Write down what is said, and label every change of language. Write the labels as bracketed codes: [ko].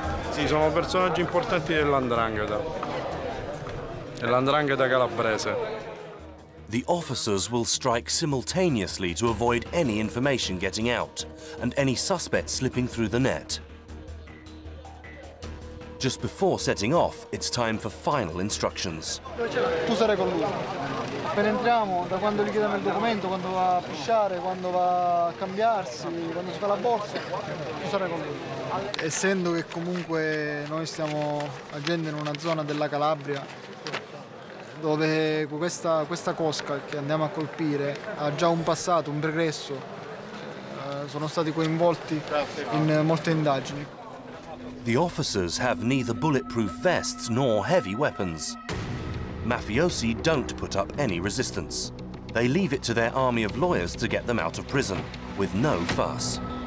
[it] Sì, sono personaggi importanti dell'Andrangheta. L'Andrangheta calabrese. [en] The officers will strike simultaneously to avoid any information getting out and any suspects slipping through the net. Just before setting off, it's time for final instructions. [it] Tu sarai con lui. Appena entriamo, da quando gli chiediamo il documento, quando va a pisciare, quando va a cambiarsi, quando si fa la borsa, tu sarai con lui. Essendo che comunque noi stiamo agendo in una zona della Calabria dove questa cosca che andiamo a colpire ha già un passato, un pregresso, sono stati coinvolti in molte indagini. [en] The officers have neither bulletproof vests nor heavy weapons. Mafiosi don't put up any resistance. They leave it to their army of lawyers to get them out of prison with no fuss.